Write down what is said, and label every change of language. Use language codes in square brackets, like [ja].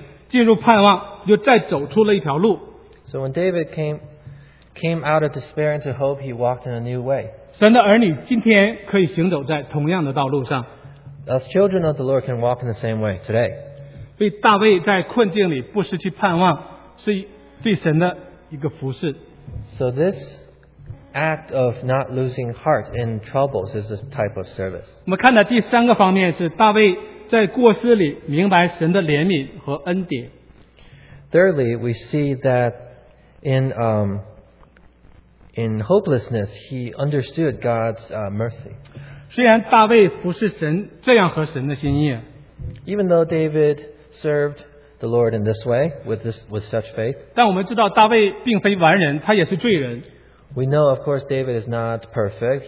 [zh] 所以大卫这样行呢,他从困境进入盼望,又再走出了一条路。 [en] So when David came out of despair into hope, he walked in a new way. [zh] 神的儿女今天可以行走在同样的道路上。 [en] Us children of the Lord can walk in the same way today. [zh] 所以大卫在困境里不失去盼望, [en] So this act of not losing heart in troubles is a type of service. [zh] 我们看到第三个方面是大卫在过失里明白神的怜悯和恩典。 [en] Thirdly, we see that in hopelessness, he understood God's mercy. [zh] 虽然大卫不是神这样合神的心意, [en] Even though David served the Lord in this way, with such faith. [zh] 但我们知道大卫并非完人, 他也是罪人。 [en] We know, of course, David is not perfect.